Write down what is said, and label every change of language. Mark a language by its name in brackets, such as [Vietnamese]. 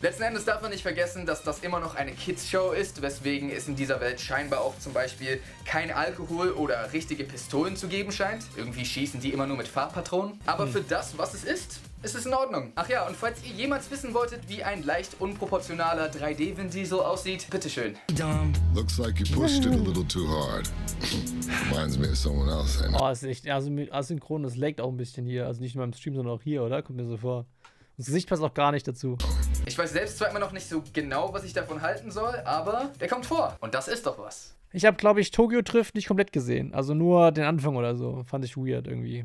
[German] Letzten Endes darf man nicht vergessen, dass das immer noch eine Kids-Show ist, weswegen es in dieser Welt scheinbar auch zum Beispiel kein Alkohol oder richtige Pistolen zu geben scheint. Irgendwie schießen die immer nur mit Farbpatronen. Aber für das, was es ist, ist es in Ordnung. Ach ja, und falls ihr jemals wissen wolltet, wie ein leicht unproportionaler 3D-Vin Diesel aussieht, bitteschön. [English] Dumb. Looks like you pushed it a little too hard. Reminds me of someone else. [German] Oh, ist echt, also asynchron, das laggt auch ein bisschen hier. Also nicht nur im Stream, sondern auch hier, oder? Kommt mir so vor. Das Gesicht passt auch gar nicht dazu. Ich weiß selbst zwar immer noch nicht so genau, was ich davon halten soll, aber der kommt vor. Und das ist doch was. Ich habe, glaube ich, Tokyo Drift nicht komplett gesehen. Also nur den Anfang oder so. Fand ich weird irgendwie.